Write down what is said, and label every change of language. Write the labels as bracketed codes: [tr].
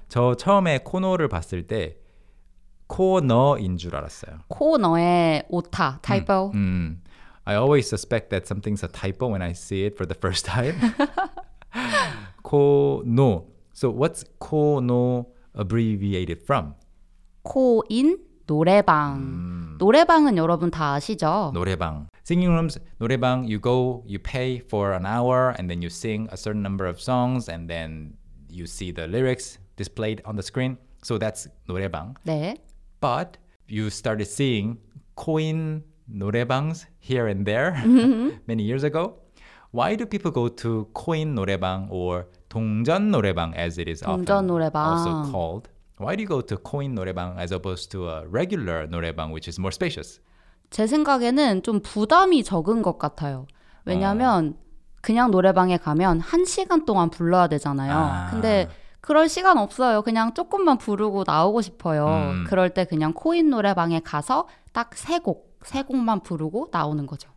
[ko] 저 처음에 코노를 봤을 때 코너인 줄 알았어요. 코너의 오타, typo. [en] I always suspect that something's a typo when I see it for the first time. 코노. So what's 코노 abbreviated from? [ko] 코인, 노래방. 노래방은 여러분 다 아시죠? 노래방. [en] Singing rooms, 노래방, you go, you pay for an hour, and then you sing a certain number of songs, and then you see the lyrics displayed on the screen. So that's 노래방. [ko] 네. [en] But you started seeing coin 노래방s here and there many years ago. Why do people go to coin 노래방 or 동전 노래방 as it is often [ko] 노래방. [en] Also called? Why do you go to coin 노래방 as opposed to a regular 노래방, which is more spacious? [ko] 제 생각에는 좀 부담이 적은 것 같아요. 왜냐하면 그냥 노래방에 가면 한 시간 동안 불러야 되잖아요. 근데 그럴 시간 없어요. 그냥 조금만 부르고 나오고 싶어요. 그럴 때 그냥 코인 노래방에 가서 딱 세 곡만 부르고 나오는 거죠.